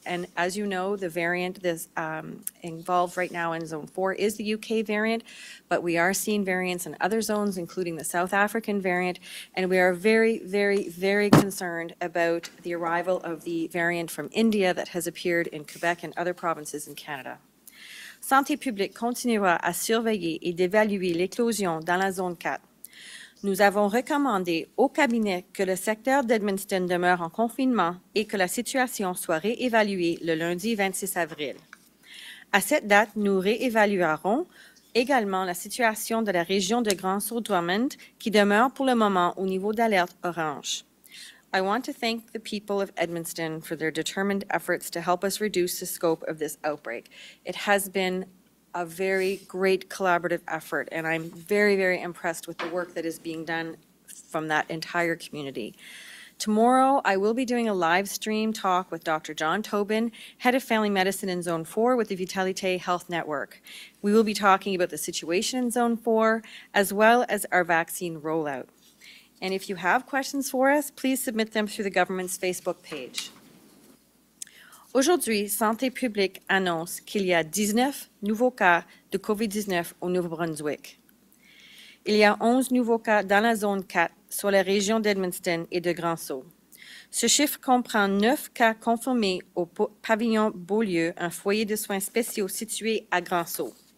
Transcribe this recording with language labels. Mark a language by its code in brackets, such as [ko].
[en] And as you know, the variant that's involved right now in Zone 4 is the UK variant, but we are seeing variants in other zones, including the South African variant. And we are very, very, very concerned about the arrival of the variant from India that has appeared in Quebec and other provinces in Canada. [fr] Santé publique continuera à surveiller et d'évaluer l'éclosion dans la zone 4. Nous avons recommandé au cabinet que le secteur d'Edmundston demeure en confinement et que la situation soit réévaluée le lundi 26 avril. À cette date, nous réévaluerons également la situation de la région de Grand Sault Drummond qui demeure pour le moment au niveau d'alerte orange. [en] I want to thank the people of Edmundston for their determined efforts to help us reduce the scope of this outbreak. It has been a very great collaborative effort, and I'm very, very impressed with the work that is being done from that entire community. Tomorrow, I will be doing a live stream talk with Dr. John Tobin, head of family medicine in Zone 4 with the Vitalite Health Network. We will be talking about the situation in Zone 4, as well as our vaccine rollout. And if you have questions for us, please submit them through the government's Facebook page. [fr] Aujourd'hui, Santé publique annonce qu'il y a 19 nouveaux cas de COVID-19 au Nouveau-Brunswick. Il y a 11 nouveaux cas dans la zone 4 sur la région d'Edmundston et de Grand Sault. Ce chiffre comprend 9 cas confirmés au pavillon Beaulieu, un foyer de soins spéciaux situé à Grand Sault.